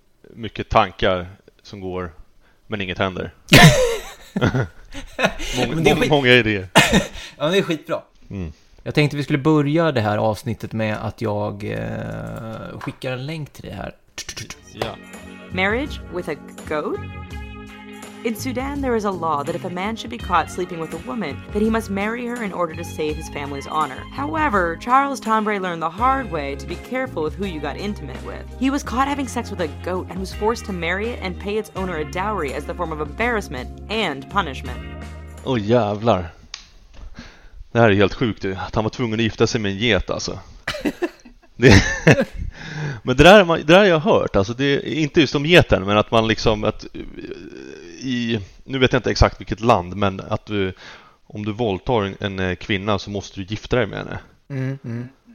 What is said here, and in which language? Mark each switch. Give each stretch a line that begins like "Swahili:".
Swedish: Mycket tankar som går, men inget händer. många idéer. Ja, men det är skitbra. Jag tänkte vi skulle börja det här avsnittet med att jag skickar en länk till det här. Ja.
English: Marriage with a goat? In Sudan there is a law that if a man should be caught sleeping with a woman, that he must marry her in order to save his family's honor. However, Charles Tambray learned the hard way to be careful with who you got intimate with. He was caught having sex with a goat and was forced to marry it and pay its owner a dowry as the form of embarrassment and punishment.
Swedish: Oh, jävlar. Det här är helt sjukt, du. Att han var tvungen att gifta sig med en get, alltså. Men det där har jag hört, alltså det är inte just om geten, men att man liksom att i, nu vet jag inte exakt vilket land, men att du, om du våldtar en kvinna så måste du gifta dig med henne.